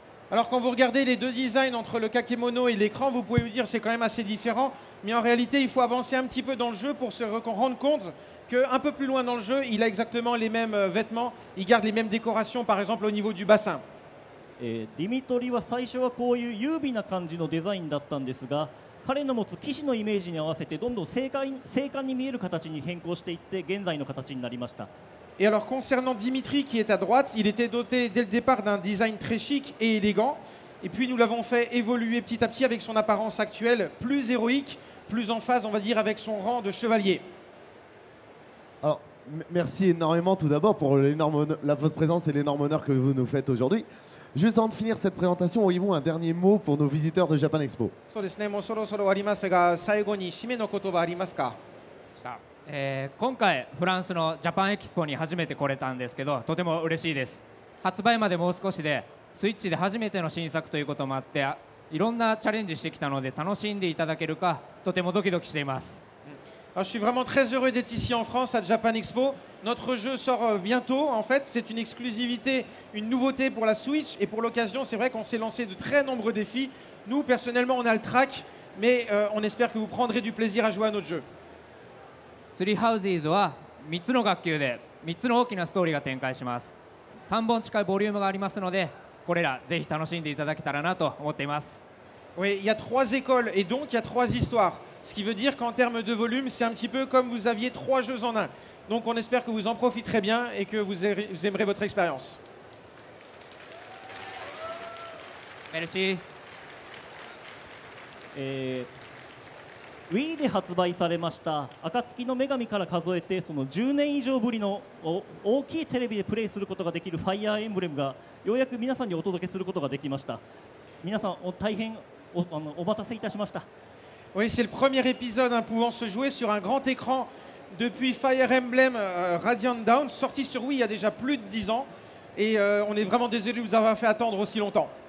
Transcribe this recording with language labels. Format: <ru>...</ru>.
<fr>Alors quand vous regardez les deux designs entre le kakemono et l'écran, vous pouvez vous dire que c'est quand même assez différent. Mais en réalité, il faut avancer un petit peu dans le jeu pour se rendre compte qu'un peu plus loin dans le jeu, il a exactement les mêmes vêtements, il garde les mêmes décorations, par exemple au niveau du bassin.</fr> <ja>Dimitri は最初はこういう優美な感じのデザインだったんですが、彼の持つ騎士のイメージに合わせてどんどん精悍に見える形に変更していって現在の形になりました。</ja> <fr>Et alors concernant Dimitri qui est à droite, il était doté dès le départ d'un design très chic et élégant, et puis nous l'avons fait évoluer petit à petit avec son apparence actuelle, plus héroïque, plus en phase, on va dire, avec son rang de chevalier. Alors, merci énormément tout d'abord pour votre présence et l'énorme honneur que vous nous faites aujourd'hui. Juste avant de finir cette présentation, auriez-vous un dernier mot pour nos visiteurs de Japan Expo ?</fr> <ja>そうですね、もうそろそろ終わりますが、最後に締めの言葉ありますか？さあ、今回フランスのジャパンエキスポに初めて来れたんですけど、とても嬉しいです。発売までもう少しで、スイッチで初めての新作ということもあって、いろんなチャレンジしてきたので楽しんでいただけるか、とてもドキドキしています。</ja> <fr>Alors, je suis vraiment très heureux d'être ici en France à Japan Expo. Notre jeu sort bientôt, en fait. C'est une exclusivité, une nouveauté pour la Switch. Et pour l'occasion, c'est vrai qu'on s'est lancé de très nombreux défis. Nous, personnellement, on a le track, mais on espère que vous prendrez du plaisir à jouer à notre jeu.</fr> <ja>Three Houses は3つの学級で3つの大きなストーリーが展開します。 3本近いボリュームがありますので、これらぜひ楽しんでいただけたらなと思っています。</ja> <fr>Oui, il y a 3 écoles et donc il y a 3 histoires. Ce qui veut dire qu'en termes de volume, c'est un petit peu comme vous aviez 3 jeux en un. Donc on espère que vous en profiterez bien et que vous aimerez votre expérience. Merci.</fr> <ja>Wii で発売されました暁の女神から数えてその10年以上ぶりの大きいテレビでプレイすることができるファイアーエンブレムがようやく皆さんにお届けすることができました。皆さん大変お待たせいたしました。</ja> <fr>Oui, c'est le premier épisode hein, pouvant se jouer sur un grand écran depuis Fire Emblem Radiant Dawn, sorti sur Wii il y a déjà plus de 10 ans. Et on est vraiment désolé de vous avoir fait attendre aussi longtemps.</fr>